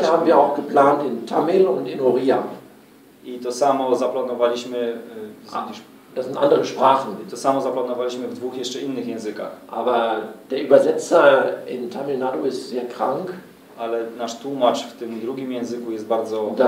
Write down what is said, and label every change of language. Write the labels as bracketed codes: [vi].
[de] Das haben wir auch geplant in Tamil und in Oriya. [pl] I to samo zaplanowaliśmy [de] das sind andere Sprachen. [pl] To samo zaplanowaliśmy w dwóch jeszcze innych językach. [de] Aber der Übersetzer in Tamil Nadu ist sehr krank. [pl] Ale nasz tłumacz w tym drugim języku jest bardzo